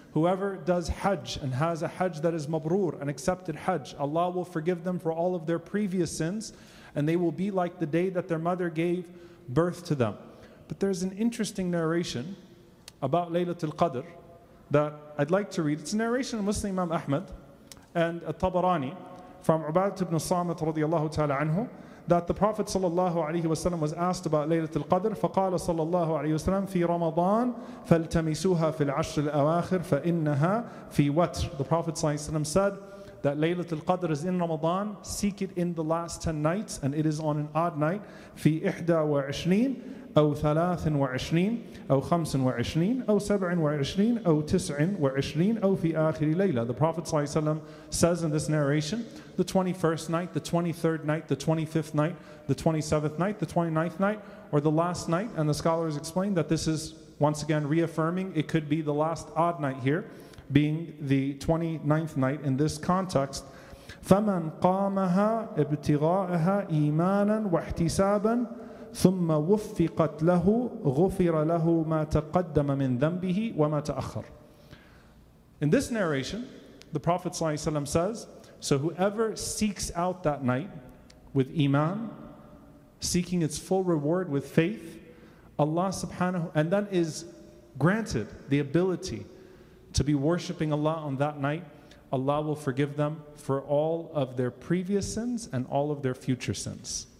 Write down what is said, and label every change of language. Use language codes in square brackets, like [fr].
[en] Whoever does Hajj and has a Hajj that is mabrur, an accepted Hajj, Allah will forgive them for all of their previous sins, and they will be like the day that their mother gave birth to them. But there's an interesting narration about Laylatul Qadr that I'd like to read. It's a narration of Muslim Imam Ahmad and At-Tabarani from Ubadah ibn Samit radiallahu ta'ala anhu, that the Prophet sallallahu alayhi wa sallam was asked about Laylatul Qadr. [ar] فَقَالَ sallallahu alayhi wa sallam فِي رَمَضَانَ فَالْتَمِسُوهَا فِي الْعَشْرِ الْأَوَاخِرِ فَإِنَّهَا فِي وَتْرِ. [en] The Prophet sallallahu alayhi wa sallam said that Laylatul Qadr is in Ramadan. Seek it in the last 10 nights, and it is on an odd night. [ar] فِي إِحْدَى وَعِشْرِينَ أو ثلاث وعشرين أو خمس وعشرين أو سبع وعشرين أو تسع وعشرين أو في آخر ليلة. [en] The Prophet ﷺ says in this narration, the 21st night, the 23rd night, the 25th night, the 27th night, the 29th night, or the last night. And the scholars explain that this is once again reaffirming it could be the last odd night here, being the 29th night in this context. [ar] فمن قامها ابتغاءها إيمانا واحتسابا ثم وفقت له غفر له ما تقدم من ذنبه وما تأخر. [en] In this narration, the Prophet ﷺ says, so whoever seeks out that night with iman, seeking its full reward with faith, Allah subhanahu, and then is granted the ability to be worshiping Allah on that night, Allah will forgive them for all of their previous sins and all of their future sins.